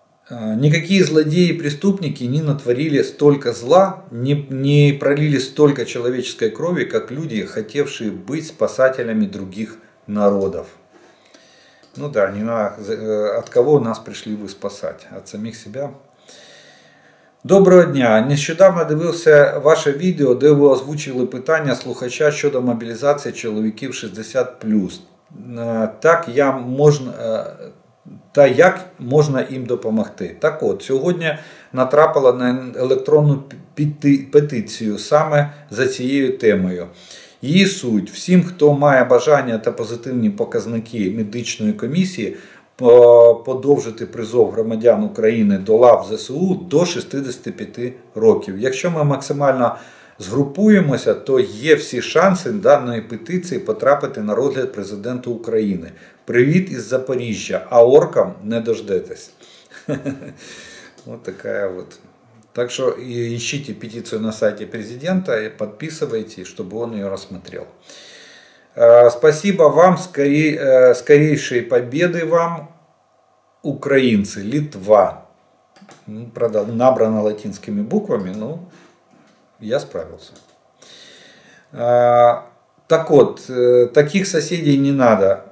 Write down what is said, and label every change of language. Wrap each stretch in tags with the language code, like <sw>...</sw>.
<ru>Никакие злодеи и преступники не натворили столько зла, не пролили столько человеческой крови, как люди, хотевшие быть спасателями других народов. Ну да, не на, от кого нас пришли вы спасать? От самих себя?</ru> <uk>Доброго дня. Нещодавно дивився ваше відео, де ви озвучили питання слухача щодо мобілізації чоловіків 60+. Як можна їм допомогти? Так от, сьогодні натрапила на електронну петицію саме за цією темою. Її суть – всім, хто має бажання та позитивні показники медичної комісії, подовжити призов громадян України до лав ЗСУ до 65 років. Якщо ми максимально згрупуємося, то є всі шанси даної петиції потрапити на розгляд президенту України. Привіт із Запоріжжя,</uk> <ru>а оркам не дождетесь.</ru> <uk>Ось така от. Так що ищіть петицію на сайті президента і підписуйтесь, щоб він її розглянув.</uk> <ru>Спасибо вам, скорейшей победы вам, украинцы, Литва. Ну, правда, набрано латинскими буквами, но я справился. Так вот, таких соседей не надо.</ru>